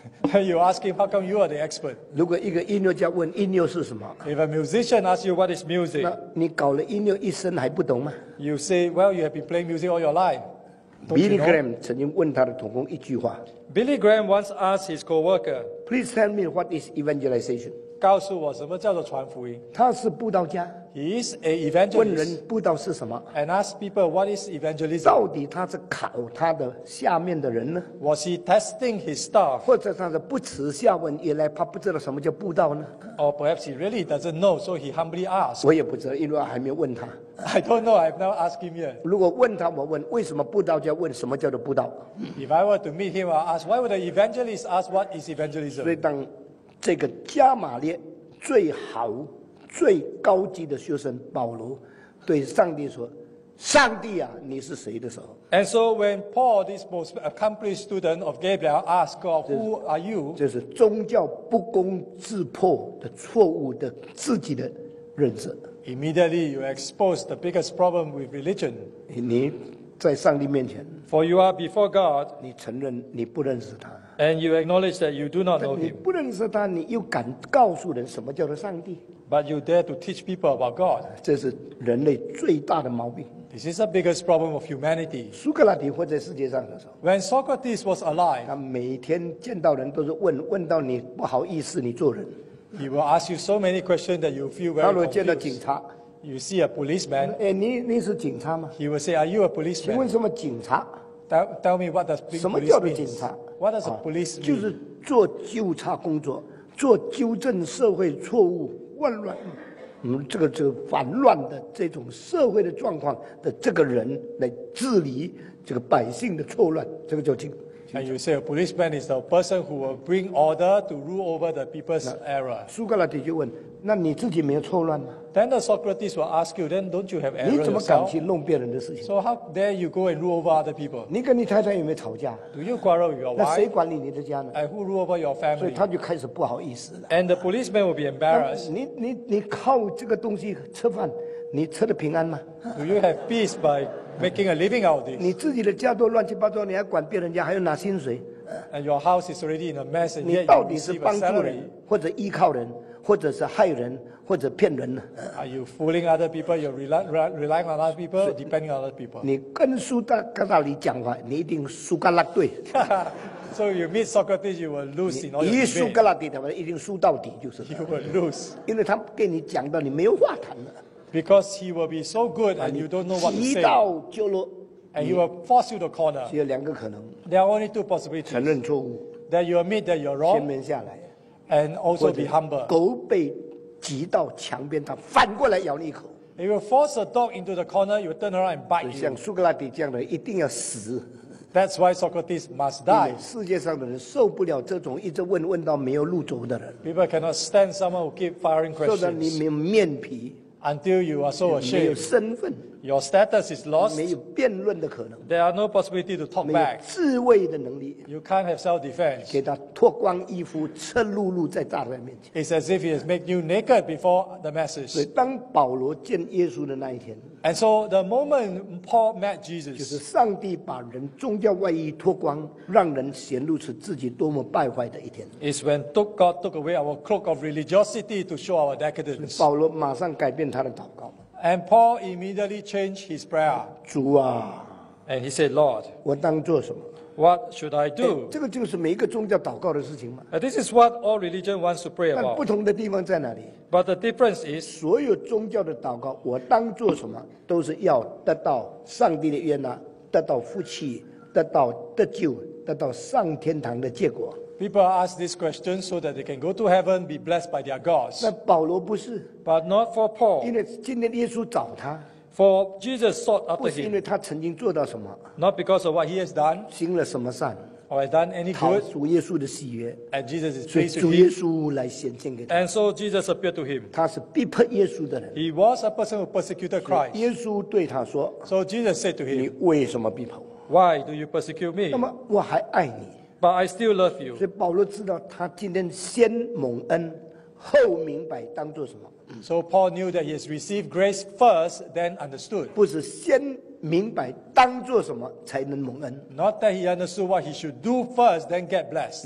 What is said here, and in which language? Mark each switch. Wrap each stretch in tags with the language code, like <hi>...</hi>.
<en>You ask him, how come you are the expert?</en> <zh>如果一个音乐家问音乐是什么？</zh> <en>If a musician asks you, what is music?</en> <zh>那你搞了音乐一生还不懂吗？</zh> <en>You say, well, you have been playing music all your life.</en> <zh>Billy Graham 曾经问他的同工一句话。</zh> <en>Billy Graham once asked his co-worker, please tell me what is evangelization?</en> <zh>告诉我什么叫做传福音。他是布道家。</zh> <en>He is an evangelist.</en> <zh>问人布道是什么？</zh> <en>And ask people, what is evangelism?</en> <zh>到底他是考他的下面的人呢？</zh> <en>Was he testing his staff?</en> <zh>或者他是不耻下问，原来他不知道什么叫布道呢？</zh> <en>Or perhaps he really doesn't know, so he humbly asked.</en> <zh>我也不知道，因为我还没问他。</zh> <en>I don't know, I've never asked him yet.</en> <zh>如果问他，我问为什么布道家问什么叫做布道？</zh> <en>If I were to meet him, I'd ask, why would an evangelist ask what is evangelism?</en> <zh>所以当这个加玛列最好最高级的学生保罗对上帝说，上帝啊，你是谁的时候。</zh> <en>And so when Paul, this most accomplished student of Gabriel, asked God, who are you?</en> <zh>这是宗教不攻自破的错误的自己的认知。</zh> <en>Immediately you expose the biggest problem with religion.</en> <zh>你在上帝面前。</zh> <en>For you are before God.</en> <zh>你承认你不认识他。</zh> <en>And you acknowledge that you do not know him.</en> <zh>你不认识他，你又敢告诉人什么叫做上帝。</zh> <en>But you dare to teach people about God.</en> <zh>这是人类最大的毛病。</zh> <en>This is the biggest problem of humanity.</en> <zh>苏格拉底活在世界上的时候。</zh> <en>When Socrates was alive.</en> <zh>他每天见到人都是问，问到你不好意思，你做人。</zh> <en>He will ask you so many questions that you feel very confused.</en> <zh>他如果见到警察。</zh> <en>You see a policeman.</en> <zh>哎，你是警察吗？</zh> <en>He will say, are you a policeman?</en> <zh>请问什么警察？</zh> <en>Tell me what does police mean?</en> <zh>什么叫做警察？</zh> <en>What does a police mean?</en> <zh>就是做纠察工作，做纠正社会错误。混乱，这个反乱的这种社会的状况的这个人来治理这个百姓的错乱，这个叫警。</zh> <en>And you say a policeman is the person who will bring order to rule over the people's error.</en> <zh>苏格拉底就问：那你自己没有错乱吗？</zh> <en>Then the Socrates will ask you: Then don't you have error?</en> <zh>你怎么敢去弄别人的事情？</zh> <en>So how dare you go and rule over other people?</en> <zh>你跟你太太有没有吵架？</zh> <en>Do you quarrel with your wife?</en> <zh>那谁管理你的家呢？</zh> <en>And who rule over your family?</en> <zh>所以他就开始不好意思了。</zh> <en>And the policeman will be embarrassed.</en> <zh>你靠这个东西吃饭，你吃得平安吗？</zh> <en>Do you have peace by making a living out of this?</en> <zh>你自己的家都乱七八糟，你还管别人家，还要拿薪水？</zh> <en>And your house is already in a mess, and</en> <zh>你到底是帮助人，或者依靠人，或者是害人，或者骗人呢？</zh> <en>Are you fooling other people? You're relying on other people, depending on other people.</en> <zh>你跟苏格拉底讲话，你一定输个烂对。</zh> <en>So you meet Socrates, you will lose in all your debate.</en> <zh>你一输格拉底的话，一定输到底，就是。</zh> <en>You will lose.</en> <zh>因为他跟你讲到你没有话谈了。</zh> <en>Because he will be so good and you don't know what to say.</en> <zh>提到就落</zh> <en>And he will force you to corner.</en> <zh>只有两个可能。</zh> <en>There are only two possibilities.</en> <zh>承认错误。</zh> <en>That you admit that you're wrong.</en> <zh>谦卑下来。</zh> <en>And also be humble.</en> <zh>狗被挤到墙边，它反过来咬你一口。</zh> <en>It will force a dog into the corner. You turn around and bite you.</en> <zh>像苏格拉底这样的一定要死。</zh> <en>That's why Socrates must die.</en> <zh>世界上的人受不了这种一直问问到没有路走的人。</zh> <en>People cannot stand someone who keep firing questions.</en> <zh>说的你没有面皮。</zh> <en>Until you are so ashamed,</en> <zh>没有身份，</zh> <en>your status is lost.</en> <zh>没有辩论的可能，</zh> <en>there are no possibility to talk back.</en> <zh>没有自卫的能力，</zh> <en>you can't have self-defense.</en> <zh>给他脱光衣服，赤露露在大人面前。</zh> <en>It's as if he has made you naked before the masses.</en> <zh>所以当保罗见耶稣的那一天，</zh> <en>and so the moment Paul met Jesus,</en> <zh>就是上帝把人宗教外衣脱光，让人显露出自己多么败坏的一天。</zh> <en>It's when God took away our cloak of religiosity to show our decadence.</en> <zh>保罗马上改变。他的祷告。</zh> <en>And Paul immediately changed his prayer.</en> <zh>主啊。</zh> <en>And he said, Lord,</en> <zh>我当做什么？</zh> <en>What should I do?</en> <zh>这个就是每一个宗教祷告的事情嘛。</zh> <en>This is what all religion wants to pray about.</en> <zh>但不同的地方在哪里？</zh> <en>But the difference is,</en> <zh>所有宗教的祷告，我当做什么，都是要得到上帝的悦纳，得到福气，得到得救，得到上天堂的结果。</zh> <en>People ask this question so that they can go to heaven, be blessed by their gods.</en> <zh>那保罗不是。</zh> <en>But not for Paul.</en> <zh>因为今天耶稣找他。</zh> <en>For Jesus sought after him.</en> <zh>不是因为他曾经做到什么。</zh> <en>Not because of what he has done.</en> <zh>行了什么善。</zh> <en>or has done any good.</en> <zh>讨主耶稣的喜悦。</zh> <en>And Jesus is pleased with him.</en> <zh>主耶稣来显现给他。</zh> <en>And so Jesus appeared to him.</en> <zh>他是逼迫耶稣的人。</zh> <en>He was a person who persecuted Christ.</en> <zh>耶稣对他说。</zh> <en>So Jesus said to him.</en> <zh>你为什么逼迫我？</zh> <en>Why do you persecute me?</en> <zh>那么我还爱你。</zh> <en>But I still love you.</en> <zh>所以保罗知道他今天先蒙恩，后明白当作什么。</zh> <en>So Paul knew that he has received grace first, then understood.</en> <zh>不是先明白当作什么才能蒙恩。</zh> <en>Not that he understood what he should do first, then get blessed.</en>